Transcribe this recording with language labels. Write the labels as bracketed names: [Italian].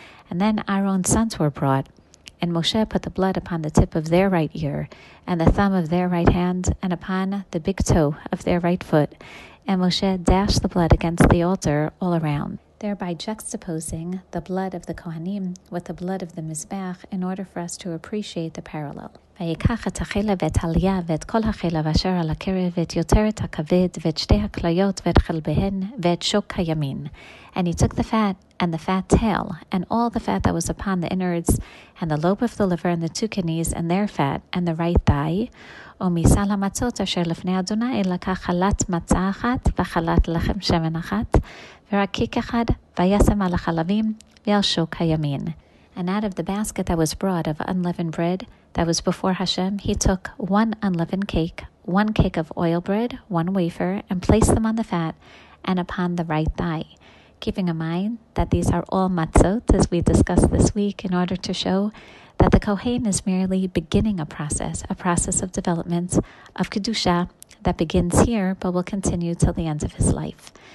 [English] And then Aaron's sons were brought, and Moshe put the blood upon the tip of their right ear, and the thumb of their right hand, and upon the big toe of their right foot. And Moshe dashed the blood against the altar all around, thereby juxtaposing the blood of the Kohanim with the blood of the Mizbeach, in order for us to appreciate the parallel. [Hebrew] ויקח את החילה ואת הליה ואת כל החילה ואשר על הקרב ואת יותרת הכבד ואת שתי הכליות ואת חלביהן ואת שוק הימין. [English] And he took the fat and the fat tail and all the fat that was upon the innards and the lobe of the liver and the two kidneys and their fat and the right thigh. [Hebrew] ומסל המצות אשר לפני אדוני לקח חלת מצה אחת וחלת לחם שמן אחת ורקיק אחד וישם על החלבים ועל שוק הימין. [English] And out of the basket that was brought of unleavened bread that was before Hashem, he took one unleavened cake, one cake of oil bread, one wafer, and placed them on the fat and upon the right thigh, keeping in mind that these are all matzot, as we discussed this week, in order to show that the Kohen is merely beginning a process of development, of Kedusha, that begins here but will continue till the end of his life.